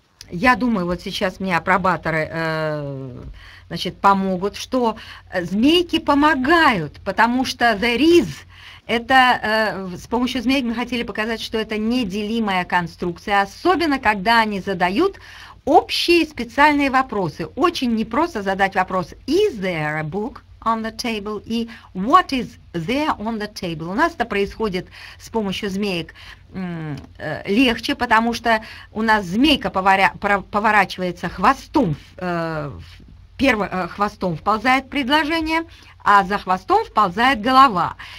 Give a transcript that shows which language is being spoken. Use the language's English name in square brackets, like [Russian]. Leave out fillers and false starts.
[Russian] Я думаю, вот сейчас мне апробаторы значит, помогут, что змейки помогают, потому что there is, это с помощью змеек мы хотели показать, что это неделимая конструкция, особенно когда они задают общие специальные вопросы. Очень непросто задать вопрос [English] «Is there a book on the table?» и «What is there on the table?» [Russian] У нас это происходит с помощью змеек легче, потому что у нас змейка поворачивается хвостом, хвостом вползает предложение, а за хвостом вползает голова.